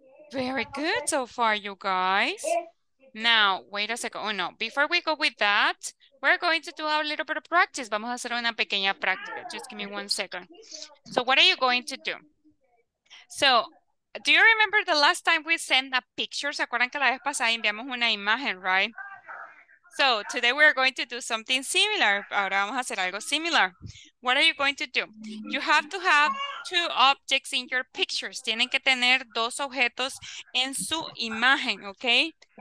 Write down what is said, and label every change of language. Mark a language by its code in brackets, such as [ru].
[en] Very good so far, you guys. Now, wait a second. Oh, no. Before we go with that, we're going to do a little bit of practice. [es] Vamos a hacer una pequeña práctica. [en] Just give me 1 second. So what are you going to do? So do you remember the last time we sent a picture? [es] ¿Se acuerdan que la vez pasada enviamos una imagen, [en] right? So today we're going to do something similar. [es] Ahora vamos a hacer algo similar. [en] What are you going to do? You have to have two objects in your pictures. [es] Tienen que tener dos objetos en su imagen, okay?